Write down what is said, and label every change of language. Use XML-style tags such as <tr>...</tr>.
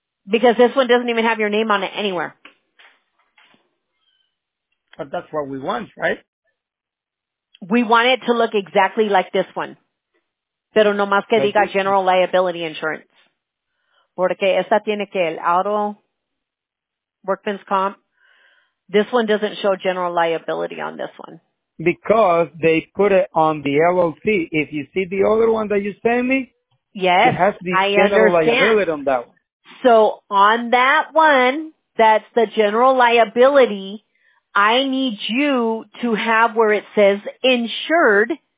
<en>Because this one doesn't even have your name on it anywhere. But that's what we want, right? We want it to look exactly like this one.</en> <es>Pero nomás que diga</es> <en>general liability insurance.</en> <es>Porque esta tiene que el auto, workman's comp.</es> <en>This one doesn't show general liability on this one. Because they put it on the LLC. If you see the other one that you sent me, yes, it has the general liability on that one. So on that one, that's the general liability, I need you to have where it says insured.</en>